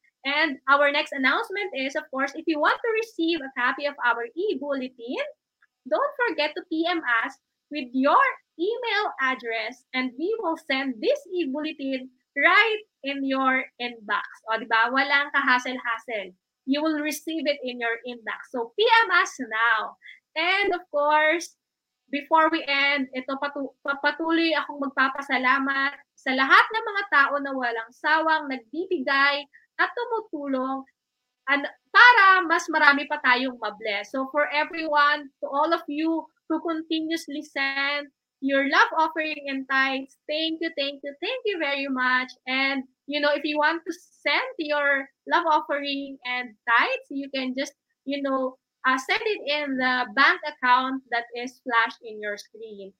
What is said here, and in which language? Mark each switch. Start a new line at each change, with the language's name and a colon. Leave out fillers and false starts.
English: And our next announcement is, of course, if you want to receive a copy of our e-bulletin, don't forget to PM us with your email address and we will send this e-bulletin right in your inbox.
Filipino: O, di ba? Walang kahassle-hassle.
English: You will receive it in your inbox. So, PM us now.
Filipino: And of course, before we end, ito patuloy akong magpapasalamat sa lahat ng mga tao na walang sawang nagbibigay at tumutulong
English: and
Filipino: para mas marami pa tayong mabless.
English: So, for everyone, to all of you, to continuously send your love offering and tithes. Thank you, thank you, thank you very much. And, you know, if you want to send your love offering and tithes, you can just, you know, send it in the bank account that is flashed in your screen.